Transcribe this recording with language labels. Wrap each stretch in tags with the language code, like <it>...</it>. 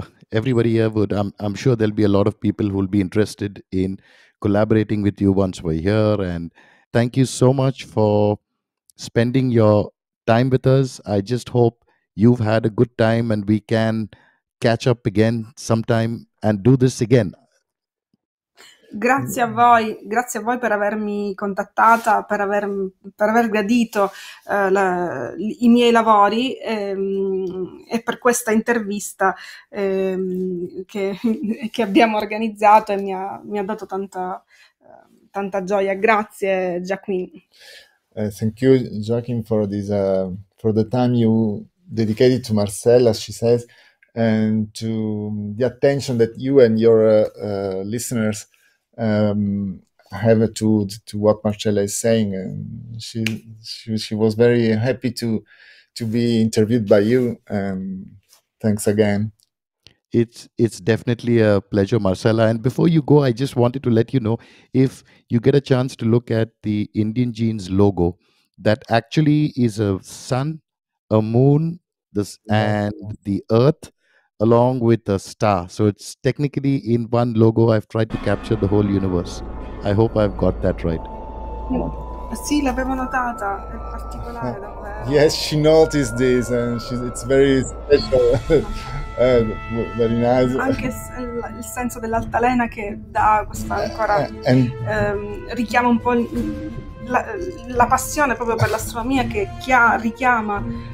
<en>Everybody here would, I'm sure there'll be a lot of people who will be interested in collaborating with you once we're here. And thank you so much for spending your time with us. I just hope you've had a good time and we can catch up again sometime and do this again.</en> <it>Grazie a voi per avermi contattata, per aver gradito i miei lavori e per questa intervista che abbiamo organizzato e mi ha dato tanta gioia. Grazie, Joaquin.</it> <en>Thank you, Joaquin, for this for the time you dedicated to Marcella, she says, and to the attention that you and your listeners have to what Marcella is saying. She was very happy to be interviewed by you. Thanks again. It's definitely a pleasure, Marcella. And before you go, I just wanted to let you know, if you get a chance to look at the Indian Genes logo, that actually is a sun, a moon, and the earth, along with a star. So it's technically in one logo. I've tried to capture the whole universe. I hope I've got that right.</en> <it>Sì, l'avevo notata. È particolare.</it> <en>Yes, she noticed this, and it's very special. Very nice.</en> <it>Anche il senso dell'altalena che dà questa ancora richiama un po' la passione proprio per l'astronomia che richiama</it>